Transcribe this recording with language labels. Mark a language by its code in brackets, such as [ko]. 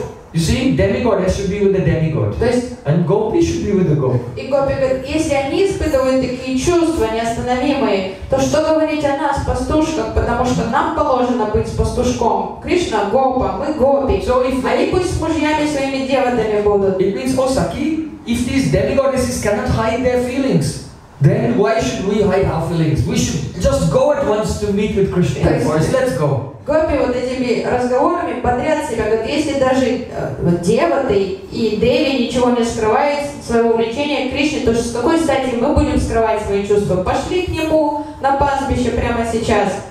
[en] You see, demigod should be with the demigod. [ru] То есть, [en] and gopi should be with the gopi. [ru] И гопи говорит, если они испытывают такие чувства неостановимые, то что говорить о нас, пастушках, потому что нам положено быть с пастушком. Кришна гопа, мы гопи. [en] So if [ru] они пусть с мужьями своими девотами будут. [en] It means, oh, Saki, if these demigoddesses cannot hide their feelings, then why should we hide our feelings? We should just go at once to meet with Krishna. Of course, let's go. [ru] Гопи вот этими разговорами подряд себя говорят, если даже девоты и деви ничего не скрывают своего увлечения к Кришне, то с какой стати мы будем скрывать свои чувства? Пошли к нему на пастбище прямо сейчас.